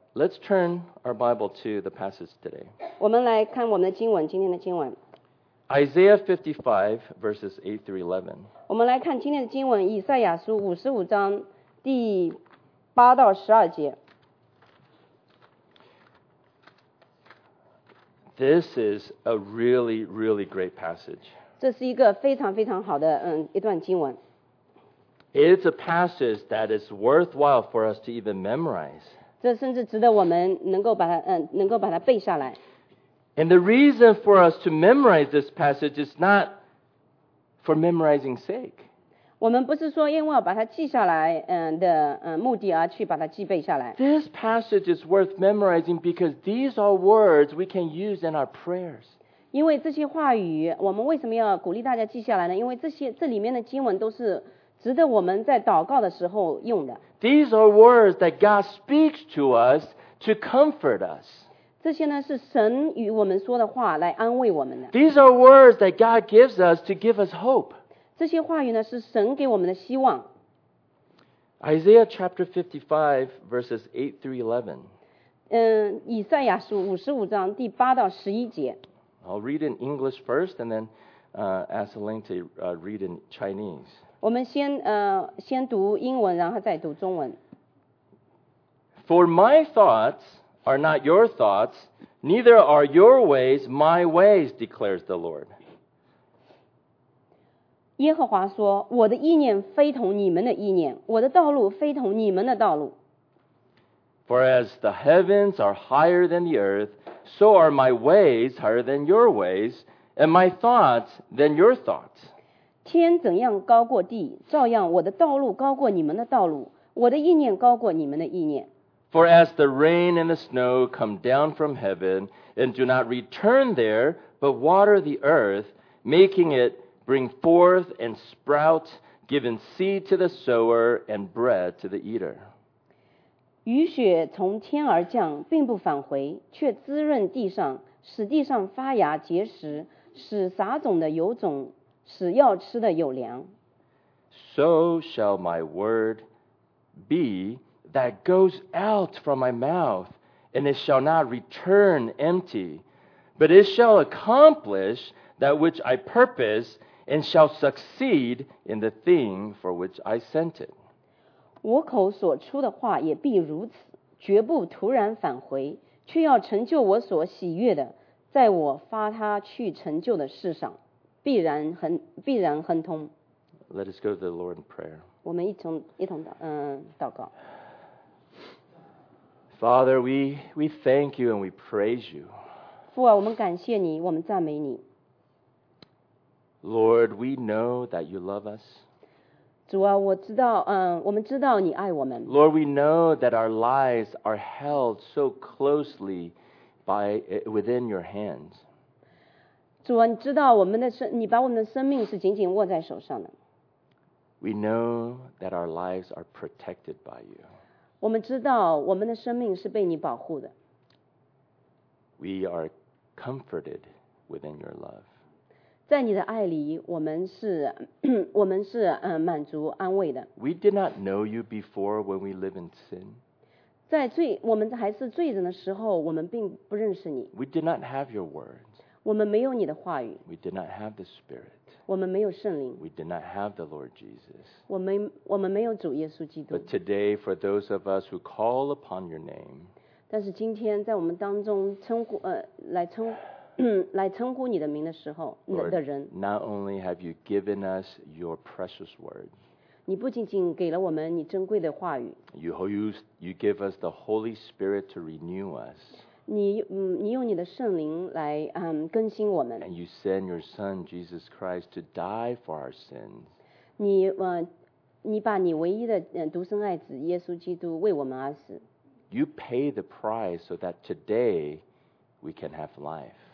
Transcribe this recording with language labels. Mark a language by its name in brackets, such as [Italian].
[English] Let's turn our Bible to the passage today. [Chinese] 我们来看我们的经文，今天的经文。 [English] Isaiah 55 verses 8 through 11. [Chinese] 我们来看今天的经文，以赛亚书55章第8到12节。 [English] This is a really, really great passage. [Chinese] 这是一个非常非常好的一段经文。 [English] It's a passage that is worthwhile for us to even memorize. [Chinese] 这甚至值得我们能够把它背下来。 [English] And the reason for us to memorize this passage is not for memorizing sake. [Chinese] 我们不是说因为要把它记下来目的而去把它记背下来。 [English] This passage is worth memorizing because these are words we can use in our prayers. [Chinese] 因为这些话语我们为什么要鼓励大家记下来呢？因为这里面的经文都是值得我们在祷告的时候用的。 [English] These are words that God speaks to us to comfort us. [Chinese] 这些呢是神与我们说的话来安慰我们的。 [English] These are words that God gives us to give us hope. [Chinese] 这些话语呢是神给我们的希望。 [English] Isaiah chapter 55 verses 8 through 11. [Chinese] 以赛亚书55章第8到11节。 [English] I'll read in English first and then ask Ling to read in Chinese. [Chinese] 我们先读英文然后再读中文。 [English] For my thoughts are not your thoughts, neither are your ways my ways, declares the Lord. [Chinese] 耶和华说：“我的意念非同你们的意念，我的道路非同你们的道路。” [English] For as the heavens are higher than the earth, so are my ways higher than your ways, and my thoughts than your thoughts. [Chinese] 天怎样高过地，照样我的道路高过你们的道路，我的意念高过你们的意念。 [English] For as the rain and the snow come down from heaven and do not return there, but water the earth, making it bring forth and sprout, giving seed to the sower and bread to the eater. [Chinese] 雨雪从天而降，并不返回，却滋润地上，使地上发芽结实，使撒种的有种，使要吃的有粮。 [English] So shall my word be that goes out from my mouth, and it shall not return empty, but it shall accomplish that which I purpose. And shall succeed in the thing for which I sent it. [Chinese] 我口所出的话也必如此，绝不突然返回，却要成就我所喜悦的，在我发他去成就的事上，必然亨通。 [English] Let us go to the Lord in prayer. [Chinese] 我们一同祷告。 [English] Father, we thank you and we praise you. [Chinese] 父啊，我们感谢你，我们赞美你。 [English] Lord, we know that you love us. [Chinese] 主啊，我知道，我们知道你爱我们。 [English] Lord, we know that our lives are held so closely within your hands. [Chinese] 主啊，你知道你把我们的生命是紧紧握在手上的。 [English] We know that our lives are protected by you. [Chinese] 我们知道我们的生命是被你保护的。 [English] We are comforted within your love. [Chinese] 在你的爱里，我们是满足安慰的。 [English] We did not know you before when we live in sin. [Chinese] 在罪，我们还是罪人的时候，我们并不认识你。 [English] We did not have your word. [Chinese] 我们没有你的话语。 [English] We did not have the spirit. [Chinese] 我们没有圣灵。 [English] We did not have the Lord Jesus. [Chinese] 我们没有主耶稣基督。 [English] But today, for those of us who call upon your name, [Chinese] 但是今天在我们当中来称呼你的名的时候 [English] Lord, [Chinese] 的人 [English] not only have you given us your precious word, [Chinese] 你不仅仅给了我们你珍贵的话语 [English] you give us the Holy Spirit to renew us, [Chinese] 你用你的圣灵来更新我们 [English] and you send your son Jesus Christ to die for our sins, [Chinese] 你把你唯一的独生爱子耶稣基督为我们而死 [English] you pay the price so that today we can have life,